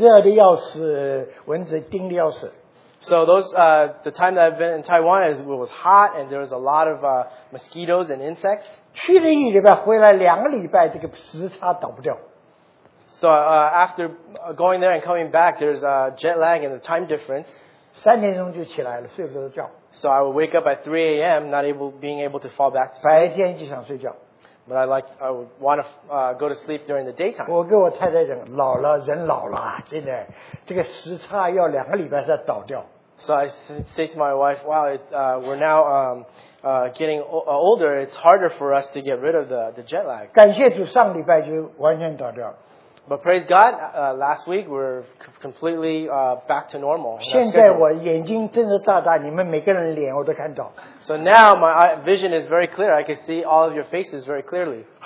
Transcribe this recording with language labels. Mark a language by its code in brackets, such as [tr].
[zh] 去那个台湾一个礼拜，热的要死，蚊子叮的要死。 [en] So those the time that I've been in Taiwan is it was hot and there was a lot of mosquitoes and insects. [zh] 去了一礼拜，回来两个礼拜，这个时差倒不掉。 [en] So after going there and coming back, there's a jet lag and a time difference. [zh] 3点钟就起来了，睡不着觉。 [en] So I would wake up at 3 a.m., not being able to fall back to sleep. [zh] 白天就想睡觉。 [en] But I would want to go to sleep during the daytime. [zh] 我跟我太太讲，老了，人老了，真的，这个时差要两个礼拜才倒掉。 [en] So I say to my wife, wow, we're now getting older. It's harder for us to get rid of the jet lag. [zh] 感谢主，上礼拜就完全倒掉。 [en] But praise God, last week we're completely back to normal. [zh] 现在我眼睛睁得大大，你们每个人脸我都看到。 [en] So now my vision is very clear. I can see all of your faces very clearly.